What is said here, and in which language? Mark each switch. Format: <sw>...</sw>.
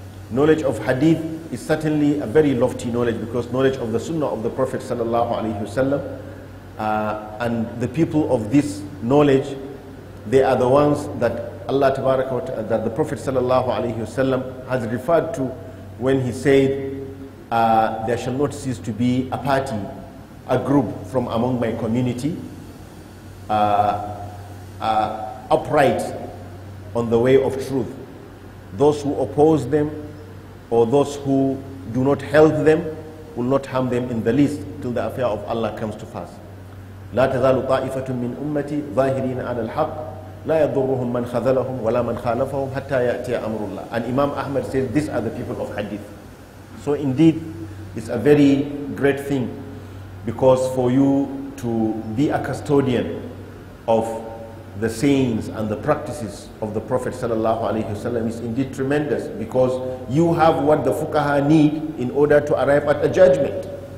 <en>Knowledge of hadith is certainly a very lofty knowledge, because knowledge of the sunnah of the Prophet sallallahu alaihi wasallam, and the people of this knowledge, they are the ones that Allah tabaraka that the Prophet sallallahu alaihi wasallam has referred to when he said, there shall not cease to be a party, a group from among my community, upright on the way of truth. Those who oppose them, or those who do not help them, will not harm them in the least till the affair of Allah comes to pass.</en> <ar>لا تزال طائفة من أمتي ظاهرين على الحق لا يضرهم من خذلهم ولا من خالفهم حتى يأتي أمر الله.</ar> <en>And Imam Ahmad says, these are the people of hadith. So indeed, it's a very great thing, because for you to be a custodian of the sayings and the practices of the Prophet sallallahu alaihi wasallam is indeed tremendous, because you have what the fuqaha need in order to arrive at a judgment.</en>